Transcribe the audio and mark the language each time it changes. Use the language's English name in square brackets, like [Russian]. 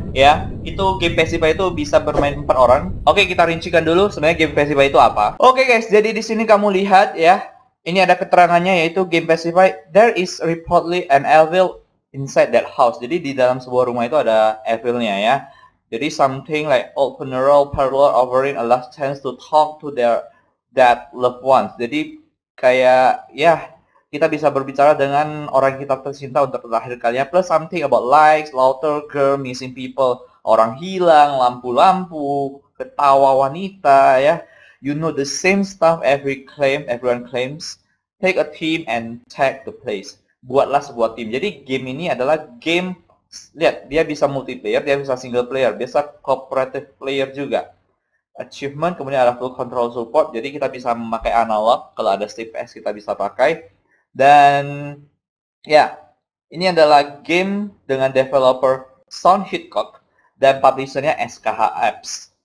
[Indonesian] Ya, itu game Pacify itu bisa bermain 4 orang. Oke, kita rincikan dulu sebenarnya game Pacify itu apa. Oke guys, jadi di sini kamu lihat ya, ini ada keterangannya, yaitu game Pacify, [English] there is reportedly an evil inside that house. [Indonesian] Jadi di dalam sebuah rumah itu ada evilnya ya. Jadi [English] something like old funeral parlor offering a last chance to talk to their dead loved ones. [Indonesian] Jadi kayak ya, kita bisa berbicara dengan orang kita tercinta untuk terakhir kalinya. [English] Plus something about likes, laughter, girl, missing people, [Indonesian] orang hilang, lampu-lampu, ketawa wanita ya. [English] You know the same stuff everyone claims. Take a team and tag the place. [Indonesian] Buatlah sebuah tim. Jadi game ini adalah game, lihat, dia bisa multiplayer, dia bisa single player, bisa cooperative player juga. Achievement, kemudian ada full control support, jadi kita bisa memakai analog, kalau ada stick PS kita bisa pakai. Dan ya, ini adalah game dengan developer Sound Hitchcock dan publishernya SKH Apps.